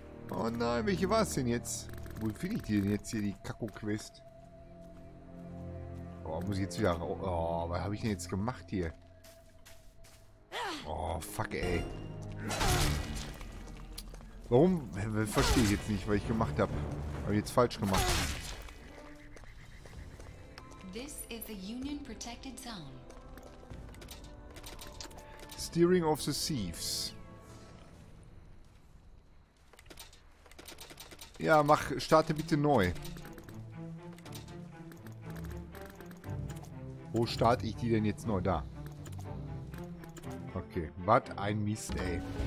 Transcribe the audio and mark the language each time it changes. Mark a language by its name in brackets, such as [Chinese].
[German] Oh, nein. Welche war es denn jetzt? Wo finde ich die denn jetzt hier, die Kacko-Quest? Oh, muss ich jetzt wieder raus? Oh, was habe ich denn jetzt gemacht hier? Oh, fuck, ey. Warum? Verstehe ich jetzt nicht, was ich gemacht habe. Habe ich jetzt falsch gemacht. [English] This is the Union Protected Zone. Steering of the Thieves. [German] Ja, mach, starte bitte neu. Wo starte ich die denn jetzt neu? Da. Okay, was ein Mist, ey.